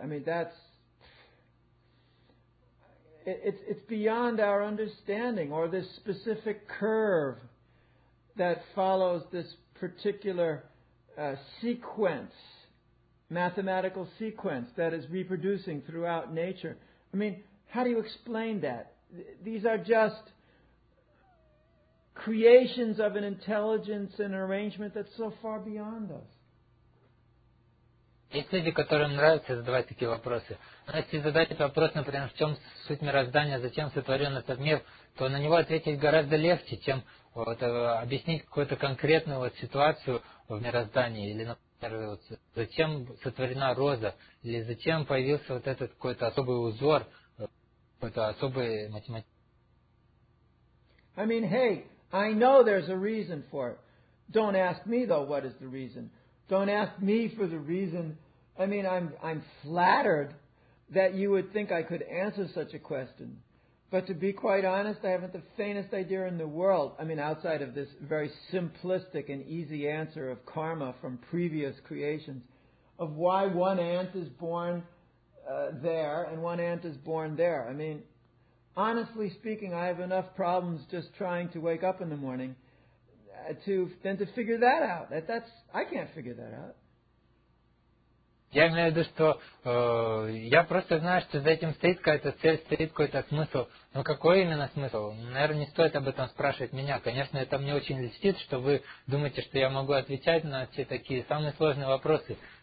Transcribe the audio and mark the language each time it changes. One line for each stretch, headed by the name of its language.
English: I mean, that's, it's beyond our understanding, or this specific curve that follows this particular sequence, mathematical sequence that is reproducing throughout nature. I mean, how do you explain that? These are just creations of an intelligence and an arrangement that's so far beyond us.
Russian: Есть люди, которым нравится задавать такие вопросы. Но если задать этот вопрос, например, в чем суть мироздания, зачем сотворен этот мир, то на него ответить гораздо легче, чем вот, объяснить какую-то конкретную вот, ситуацию в мироздании, или, например, вот, зачем сотворена роза, или зачем появился вот этот какой-то особый узор, какой-то особый математический.
English: I mean, hey, I know there's a reason for it. Don't ask me, though, what is the reason. Don't ask me for the reason. I mean, I'm flattered that you would think I could answer such a question. But to be quite honest, I haven't the faintest idea in the world. I mean, outside of this very simplistic and easy answer of karma from previous creations, of why one ant is born there and one ant is born there. I mean, honestly speaking, I have enough problems just trying to wake up in the morning to figure that out. That's I can't figure that out.
Russian: Я имею в виду, что я просто знаю, что за этим стоит какая-то цель, стоит какой-то смысл. Но какой именно смысл? Наверное, не стоит об этом спрашивать меня. Конечно, это мне очень льстит, что вы думаете, что я могу отвечать на все такие самые сложные вопросы.